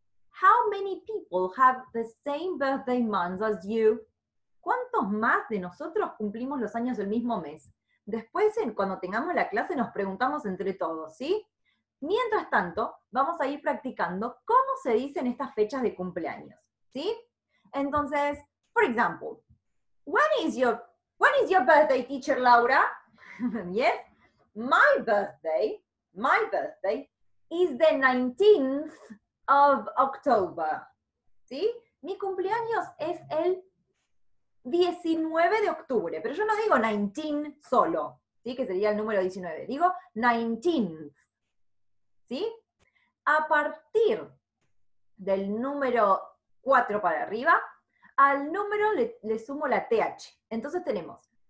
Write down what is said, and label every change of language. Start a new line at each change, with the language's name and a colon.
English: How many people have the same birthday month as you?
Spanish: ¿Cuántos más de nosotros cumplimos los años el mismo mes? Después, cuando tengamos la clase, nos preguntamos entre todos, ¿sí? Mientras tanto, vamos a ir practicando cómo se dicen estas fechas de cumpleaños, ¿sí?
English: Entonces, for example, when is your birthday, teacher Laura? Yes, my birthday is the 19th of October, ¿sí?
Spanish: Mi cumpleaños es el 19 de octubre, pero yo no digo 19 solo, ¿sí? Que sería el número 19, digo 19th. ¿Sí? A partir del número 4 para arriba, al número le sumo la TH. Entonces tenemos